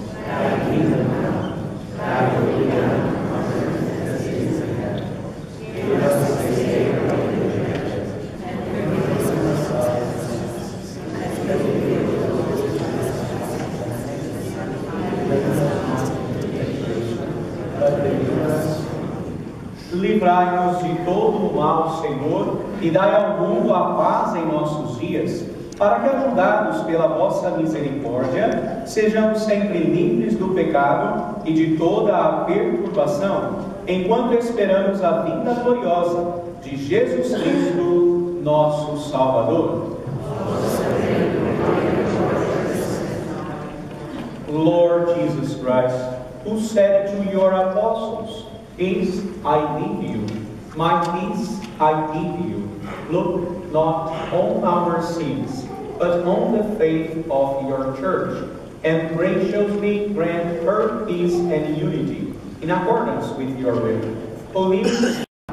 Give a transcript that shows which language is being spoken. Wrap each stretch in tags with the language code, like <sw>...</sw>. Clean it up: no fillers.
<en>Thy kingdom come, thy will be done on earth as it is in heaven. Give us this day our daily bread, and forgive us our trespasses, as we forgive those who trespass against us. Lead us not into temptation, but deliver us from evil.</en> <pt>Livrai-nos de todo o mal, Senhor, e dai ao mundo a paz em nossos dias, para que, ajudados pela vossa misericórdia, sejamos sempre livres do pecado e de toda a perturbação, enquanto esperamos a vinda gloriosa de Jesus Cristo, nosso Salvador.</pt> <en>Lord Jesus Christ, who said to your apostles, "Peace I leave you, my peace I give you," look not on our sins, but on the faith of your Church, and graciously grant her peace and unity, in accordance with your will. Believe.</en>